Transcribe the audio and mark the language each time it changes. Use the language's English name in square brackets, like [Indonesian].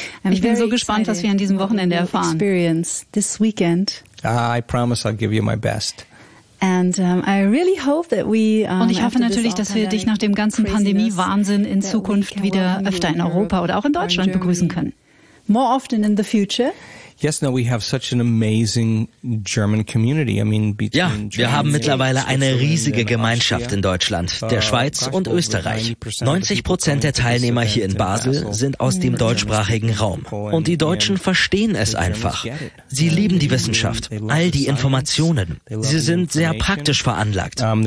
[German] Ich bin so gespannt, was wir an diesem Wochenende erfahren. [English] Experience this weekend. I promise I'll give you my best. And I really hope that we [German] und ich hoffe natürlich, dass wir dich nach dem ganzen Pandemie-Wahnsinn in Zukunft wieder öfter in Europa oder auch in Deutschland begrüßen können. [English] More often in the future. Yes, no, we have such an amazing German community. I mean, between [German] ja, wir haben mittlerweile eine riesige Gemeinschaft in Deutschland, der Schweiz und Österreich. 90% der Teilnehmer hier in Basel sind aus dem deutschsprachigen Raum. Und die Deutschen verstehen es einfach. Sie lieben die Wissenschaft, all die Informationen. Sie sind sehr praktisch veranlagt.